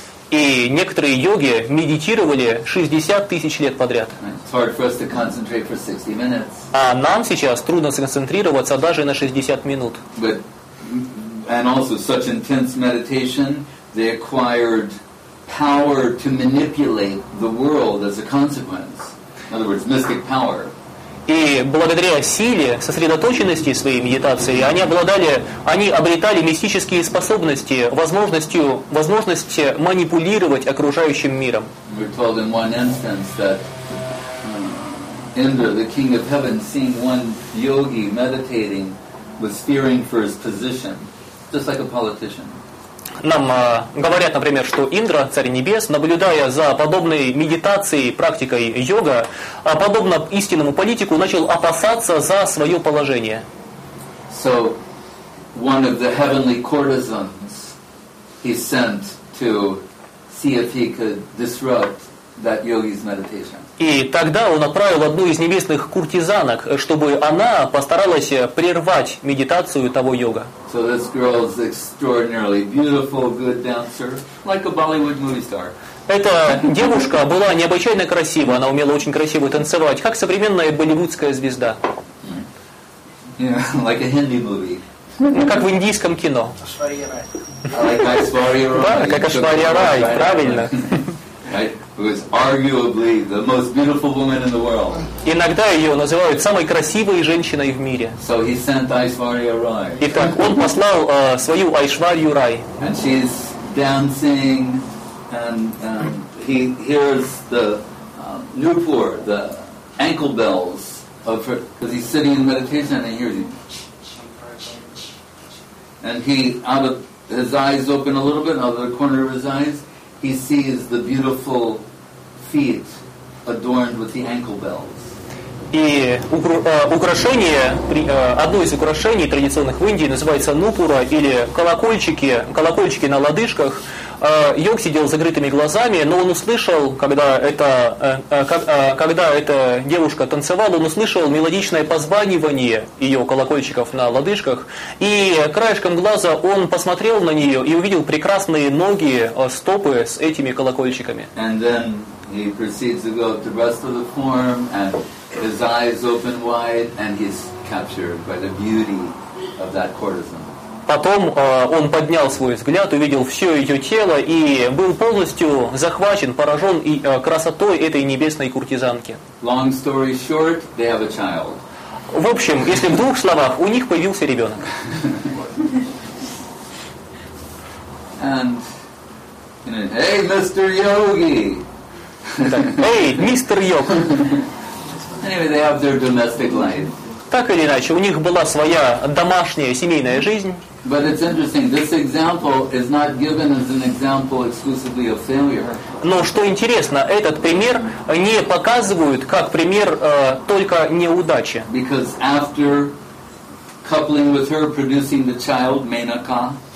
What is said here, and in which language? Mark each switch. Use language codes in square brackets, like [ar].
[ru] И некоторые йоги медитировали 60 тысяч лет подряд. А нам сейчас трудно сконцентрироваться даже на 60 минут. [en] And also such intense meditation, they acquired power to manipulate the world as a consequence. In other words, mystic power. [ru] И благодаря силе сосредоточенности своей медитации они обладали, они обретали мистические способности, возможность манипулировать окружающим миром. [en] We're told in one instance that Indra, the king of heaven, seeing one yogi meditating, was fearing for his position. Just like a politician. [ru] Нам говорят, например, что Индра, Царь Небес, наблюдая за подобной медитацией, практикой йога, подобно истинному политику, начал опасаться за свое положение. [en] So, one of the heavenly courtesans he sent to see if he could disrupt that yogi's meditation. [ru] И тогда он отправил одну из небесных куртизанок, чтобы она постаралась прервать медитацию того йога. [en] So this girl is extraordinarily beautiful, good dancer, like a Bollywood movie star. [ru] Эта девушка была необычайно красива, она умела очень красиво танцевать, как современная болливудская звезда. [en] Yeah, like a Hindi movie. [ru] Как в индийском кино. Ашвария Рай. Да, как Ашвария Рай, правильно. [en] Right? Who is arguably the most beautiful woman in the world. [ru] Иногда ее называют самой красивой женщиной в мире. [en] So he sent Aishwarya Rai. [ru] Итак, он послал свою Aishwarya Rai. [en] And she's dancing, and he hears the Nupur, the ankle bells of her, because he's sitting in meditation and he hears him. And he, out of his eyes open a little bit, out of the corner of his eyes, he sees the beautiful feet adorned with the ankle bells. [ru] И украшение, одно из украшений традиционных в Индии называется нупура или колокольчики на лодыжках. Йог сидел с закрытыми глазами, но он услышал, когда эта девушка танцевала, он услышал мелодичное позванивание ее колокольчиков на лодыжках, и краешком глаза он посмотрел на нее и увидел прекрасные ноги, стопы с этими колокольчиками. [en] And then he proceeds to go up the rest of the form, and his eyes open wide, and he's captured by the beauty of that courtesan. [ru] Потом он поднял свой взгляд, увидел все ее тело и был полностью захвачен, поражен красотой этой небесной куртизанки. [en] Long story short, they have a child. [ru] В общем, если в двух словах, у них появился ребенок. [en] And, hey, Mr. Yogi! [ru] Эй, мистер Йог! [en] Anyway, they have their domestic life. [ru] Так или иначе, у них была своя домашняя семейная жизнь. [en] But it's interesting. This example is not given as an example exclusively of failure. [ru] Но что интересно, этот пример не показывают как пример только неудачи. [en] Because after coupling with her, producing the child Menaka,